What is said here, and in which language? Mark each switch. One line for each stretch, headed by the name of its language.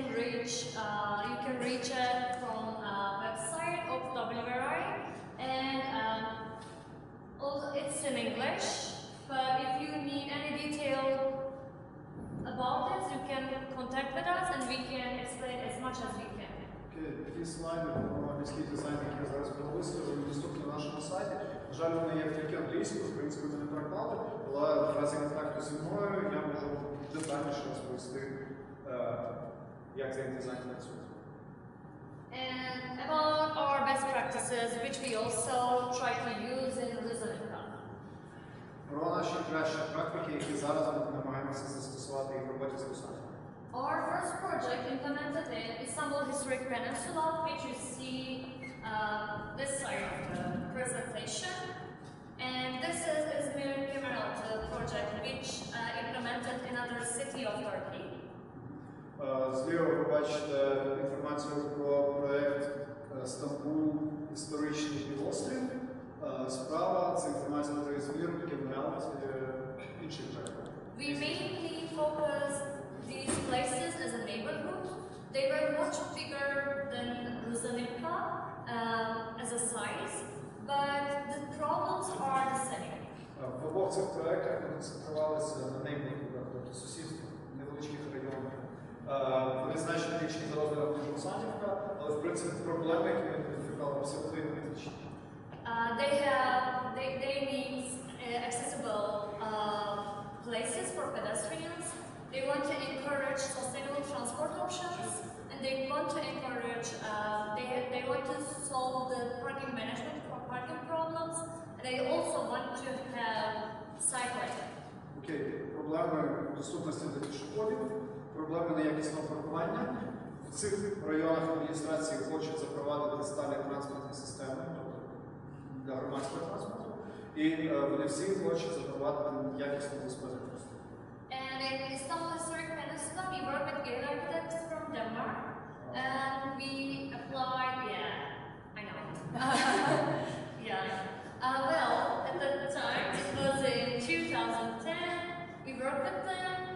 English: You can reach it from a website of WRI. And also, it's in English, but if you need any detail about this, you can contact with us and we can explain as much as we can. Okay,
Ukrainian: ті слайди про міський дизайн, які зараз були виставлені, доступні на нашому сайті. На жаль, вони є тільки англійською, українською не переклали, але в разі контакту зі мною я можу детальніше розповісти, як цей дизайн працює.
English: And about our best practices, which we also try to use in Lisbon.
Ukrainian: Про наші кращі практики, які зараз ми намагаємося застосувати в роботі з Лисабоном.
English: Our first project implemented in Istanbul Historic Peninsula, which you see this side of the presentation. And this is Izmir Kemeraltı project, which implemented in another city of Turkey.
Ukrainian: Зліва ви бачите інформацію про проєкт «Стамбул. Історичний Острів». Справа – це інформація про Ізмір, Кемеральт і інші проєкти. Ми
English: mainly focus these places as a neighborhood. They were much bigger than Ruzanipa as a size, but the problems are the same.
Ukrainian: В обох цих проєктах ми концентрувалися на neighborhood, тобто сусідство, невеличких районах. Вони значно більші за розміром ніж Лисанівка, але в принципі проблеми, які ми ідентифікували, абсолютно ідентичні.
English: They need accessible places for pedestrians. They want to encourage sustainable transport options, and they want to encourage they want to solve the parking management for parking problems, and they also want to have cycling.
Ukrainian: Окей, проблеми доступності для пішоходів. Проблеми неякісного паркування. В цих районах адміністрації хочуть запровадити сталі транспортні системи, тобто для громадського транспорту. І вони всі хочуть запровадити якісну безпеку.
English: And in Istanbul Historic Peninsula we work with gay architects from Denmark. And we apply, well, at that time, it was in 2010, we worked with them.